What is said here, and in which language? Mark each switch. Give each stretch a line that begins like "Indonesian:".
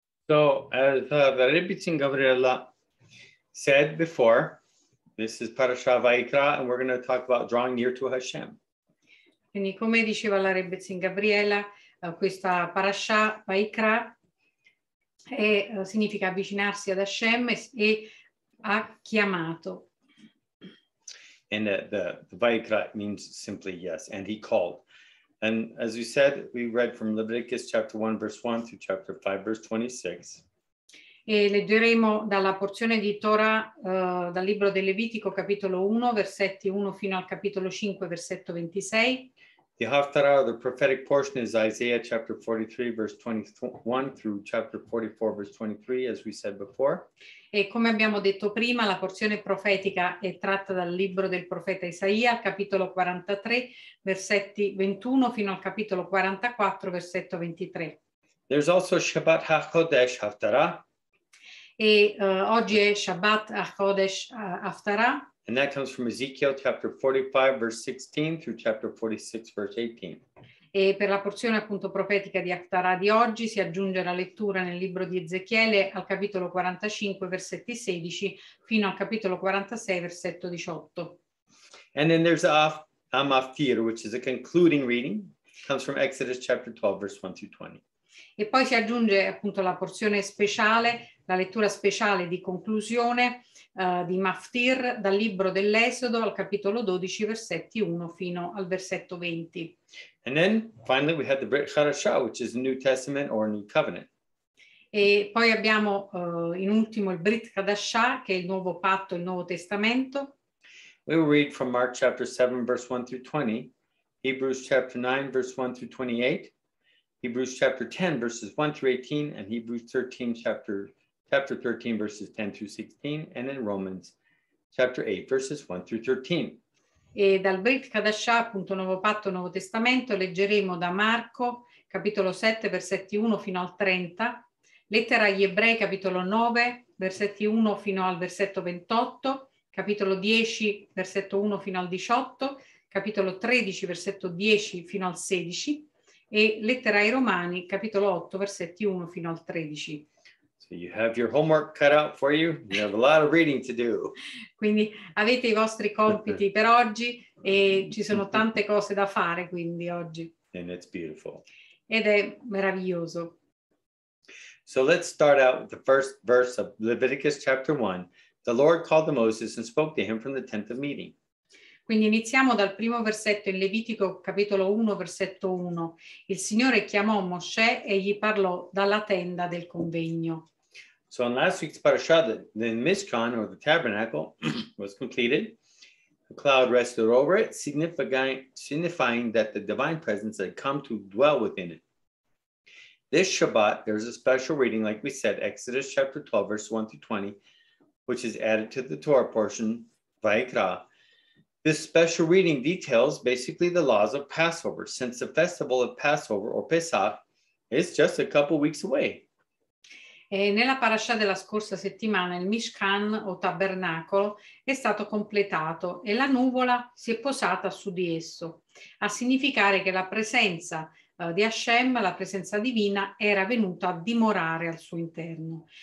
English: So, as the Rebbitzin Gavriela said before, this is Parashah Vayikra, and we're going to talk about drawing near to Hashem.
Italian: Quindi, come diceva la Rebbitzin Gavriela, questa Parashah Vayikra significa avvicinarsi ad Hashem e ha chiamato.
English: And the Vayikra means simply yes, and he called. And as we said, we read from Leviticus chapter 1, verse 1 through chapter 5, verse 26.
Italian: E leggeremo dalla porzione di Torah, dal libro del Levitico, capitolo 1, versetti 1 fino al capitolo 5, versetto 26.
English: The Haftarah, the prophetic portion, is Isaiah chapter 43, verse 21 through chapter 44, verse 23, as we said before.
Italian: E come abbiamo detto prima, la porzione profetica è tratta dal libro del profeta Isaia, capitolo 43, versetti 21 fino al capitolo 44, versetto 23.
English: There's also Shabbat HaKodesh Haftarah.
Italian: E oggi è Shabbat HaKodesh Haftarah.
English: And that comes from Ezekiel chapter 45, verse 16 through chapter 46, verse 18.
Italian: E per la porzione appunto profetica di Haftarah di oggi si aggiunge la lettura nel libro di Ezechiele al capitolo 45, versetti 16, fino al capitolo 46, versetto 18.
English: And then there's Amaftir, which is a concluding reading, comes from Exodus chapter 12, verse 1 through 20.
Italian: E poi si aggiunge appunto la porzione speciale, la lettura speciale di conclusione di Maftir dal libro dell'Esodo al capitolo 12, versetti 1 fino al versetto 20.
English: And then finally we have the Brit Chadashah, which is the New Testament or New Covenant.
Italian: E poi abbiamo in ultimo il Brit Chadashah, che è il nuovo patto, il Nuovo Testamento.
English: We will read from Mark chapter 7, verse 1 through 20, Hebrews chapter 9, verse 1 through 28, Hebrews chapter 10, verses 1 through 18, and Hebrews 13, chapter chapter 13, verses 10 through 16, and in Romans chapter 8, verses 1 through 13.
Italian: E dal Brit Kadasha, appunto, Nuovo Patto, Nuovo Testamento, leggeremo da Marco, capitolo 7, versetti 1 fino al 30, lettera agli Ebrei, capitolo 9, versetti 1 fino al versetto 28, capitolo 10, versetto 1 fino al 18, capitolo 13, versetto 10 fino al 16, e lettera ai Romani, capitolo 8, versetti 1 fino al 13.
English: So you have your homework cut out for you. You have a lot of reading to do.
Italian: Quindi avete i vostri compiti per oggi e ci sono tante cose da fare quindi oggi.
English: And it's beautiful.
Italian: Ed è meraviglioso.
English: So let's start out with the first verse of Leviticus chapter 1. The Lord called to Moses and spoke to him from the tent of meeting.
Italian: Quindi iniziamo dal primo versetto in Levitico capitolo 1 versetto 1. Il Signore chiamò Mosè e gli parlò dalla tenda del convegno.
English: So in last week's parasha, the Mishkan, or the tabernacle, was completed. A cloud rested over it, signifying that the divine presence had come to dwell within it. This Shabbat, there's a special reading, like we said, Exodus chapter 12, verse 1 through 20, which is added to the Torah portion, Vayikra. This special reading details basically the laws of Passover, since the festival of Passover, or Pesach, is just a couple weeks away.
Italian: E nella parasha della scorsa settimana il Mishkan o tabernacolo è stato completato e la nuvola si è posata su di esso, a significare che la presenza di Hashem, la presenza divina, era venuta a dimorare al suo interno.